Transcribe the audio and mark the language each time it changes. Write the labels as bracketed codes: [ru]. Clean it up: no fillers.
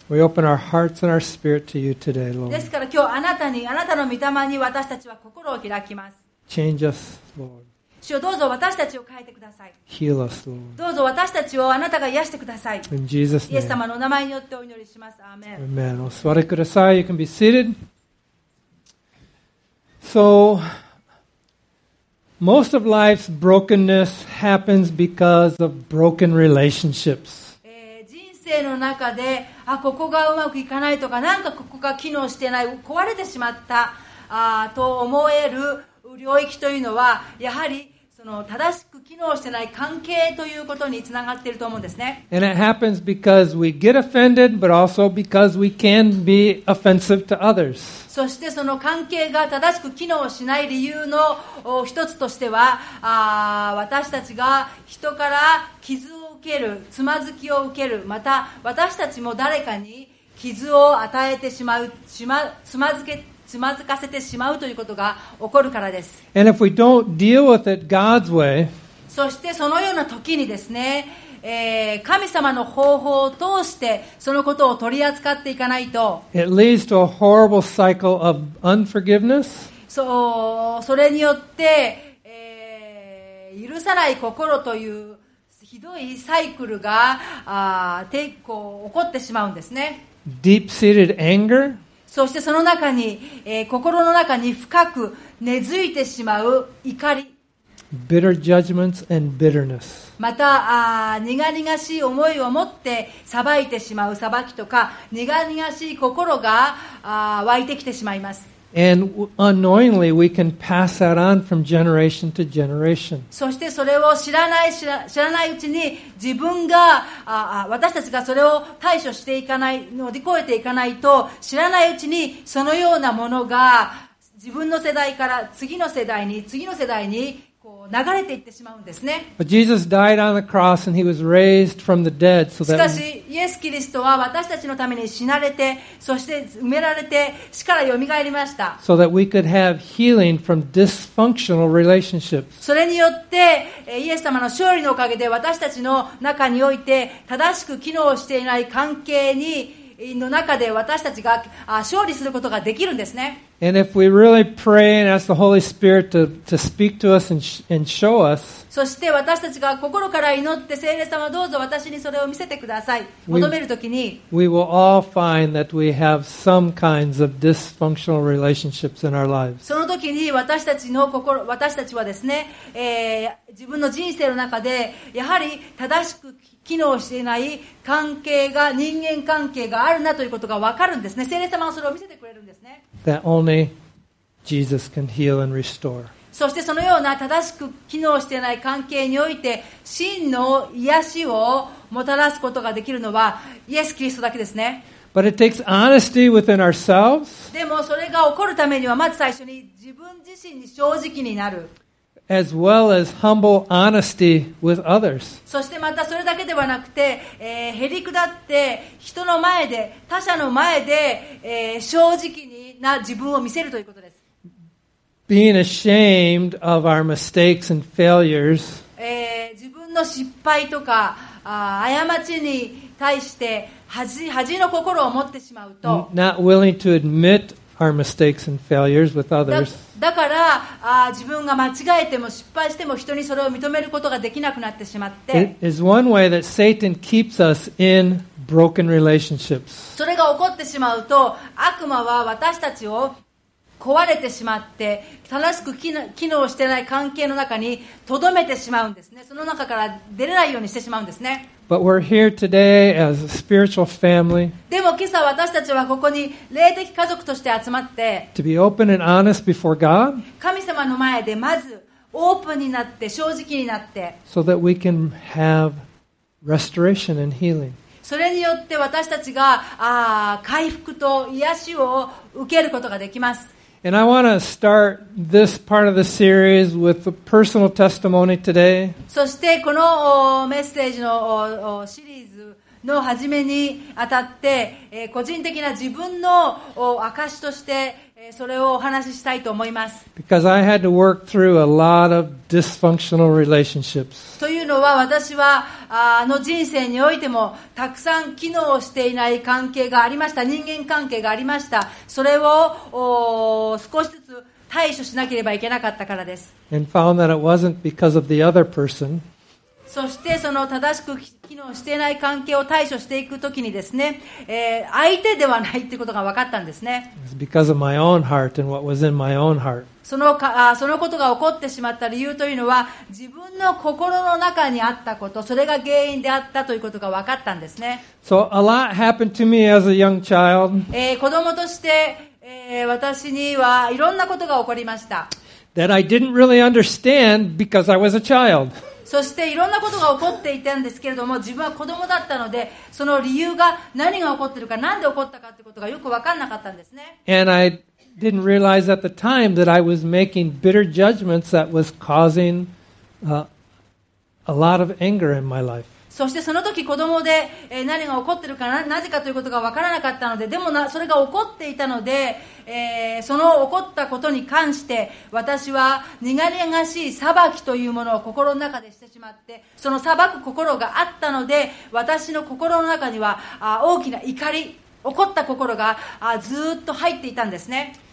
[en] We open our hearts and our spirit to you today, Lord. [ja] ですから今日あなたに、あなたの御霊に私たちは心を開きます。 [en] Change us, Lord. [ja] 主よ、どうぞ私たちを変えてください。 [en] Heal us, Lord. [ja] どうぞ私たちをあなたが癒してください。 [en] In Jesus' name. [ja] イエス様のお名前によってお祈りします。アーメン。 [en] Amen. [ja] お座りください。 [en] You can be seated. So, most of life's brokenness happens because of broken relationships. [ja] 人生の中で、あ、ここがうまくいかないとか、なんかここが機能してない、壊れてしまった、と思える領域というのはやはりその正しく機能していない関係ということにつながっていると思うんですね。 [en] And it happens because we get offended, but also because we can be offensive to others. [ja] そしてその関係が正しく機能しない理由の一つとしては、私たちが人から傷を受ける、つまずきを受ける、また私たちも誰かに傷を与えてしまう、つまずかせてしまうということが起こるからです。 [en] And if we don't deal with it God's way, [ja] そしてそのような時にですね、神様の方法を通してそのことを取り扱っていかないと、 [en] it leads to a horrible cycle of unforgiveness. [ja] それによって、許さない心というひどいサイクルが起こってしまうんですね。 [en] Deep-seated anger. [ja] そしてその中に、心の中に深く根付いてしまう怒り、 [en] Bitter judgments and bitterness. [ja] また苦々しい思いを持って裁いてしまう裁きとか苦々しい心が湧いてきてしまいます。 [en] And unknowingly we can pass that on from generation to generation. [ja] そしてそれを知らないうちに自分が私たちがそれを対処していかない乗り越えていかないと知らないうちにそのようなものが自分の世代から次の世代に次の世代にこう流れていってしまうんですね。 [en] But Jesus died on the cross and he was raised from the dead so that [ja] しかしイエス・キリストは私たちのために死なれてそして埋められて死からよみがえりました。 [en] So that we could have healing from dysfunctional relationships. [ja] それによってイエス様の勝利のおかげで私たちの中において正しく機能していない関係にの中で私たちが勝利することができるんですね。 [en] And if we really pray and ask the Holy Spirit to speak to us and show us, [ja] そして私たちが心から祈って聖霊様どうぞ私にそれを見せてください。求めるときに、 [en] we will all find that we have some kinds of dysfunctional relationships in our lives. [ja] その時に私たちの心、私たちはですね、自分の人生の中でやはり正しく機能していない関係が人間関係があるなということが分かるんですね。聖霊様はそれを見せてくれるんですね。 [en] That only Jesus can heal and restore. [ja] そしてそのような正しく機能していない関係において真の癒しをもたらすことができるのはイエス・キリストだけですね。 [en] But it takes honesty within ourselves. [ja] でもそれが起こるためにはまず最初に自分自身に正直になる。 [en] As well as humble honesty with others. [ja] そしてまたそれだけではなくて、へりくだって人の前で他者の前で、正直にな自分を見せるということです。 [en] Being ashamed of our mistakes and failures. [ja] 自分の失敗とか過ちに対して恥の心を持ってしまうと、 [en] not willing to admit our mistakes and failures with others. [ja] だから自分が間違えても失敗しても人にそれを認めることができなくなってしまって、 [en] it is one way that Satan keeps us in broken relationships. [ja] それが起こってしまうと、悪魔は私たちを壊れてしまって正しく機能していない関係の中にとどめてしまうんですね。その中から出れないようにしてしまうんですね。 [en] But we're here today as a spiritual family. [ja] でも今朝私たちはここに霊的家族として集まって [en] to be open and honest before God. [ja] 神様の前でまずオープンになって正直になって [en] so that we can have restoration and healing. [ja] それによって私たちが回復と癒しを受けることができます。 [en] And I want to start this part of the series with a personal testimony today. [ja] そしてこのメッセージのシリーズの初めにあたって個人的な自分の証としてそれをお話ししたいと思います。 [en] Because I had to work through a lot of dysfunctional relationships. [ja] というのは私は人生においてもたくさん機能していない関係がありました。人間関係がありました。それを少しずつ対処しなければいけなかったからです。 [en] And found that it wasn't because of the other person. [ja] そしてその正しく機能していない関係を対処していくときにですね、相手ではないということが分かったんですね。そのことが起こってしまった理由というのは自分の心の中にあったこと、それが原因であったということが分かったんですね。 [en] So a lot happened to me as a young child. [ja] 子供として、私にはいろんなことが起こりました。 [en] That I didn't really understand because I was a child. [ja] そしていろんなことが起こっていたんですけれども自分は子供だったのでその理由が何が起こっているか何で起こったかということがよく分からなかったんですね。 [en] And I didn't realize at the time that I was making bitter judgments that was causing a lot of anger in my life. [ja] そしてその時子供で何が起こっているか なぜかということが分からなかったのででもそれが起こっていたのでその起こったことに関して私は苦々しい裁きというものを心の中でしてしまってその裁く心があったので私の心の中には大きな怒り起こった心がずっと入っていたんですね。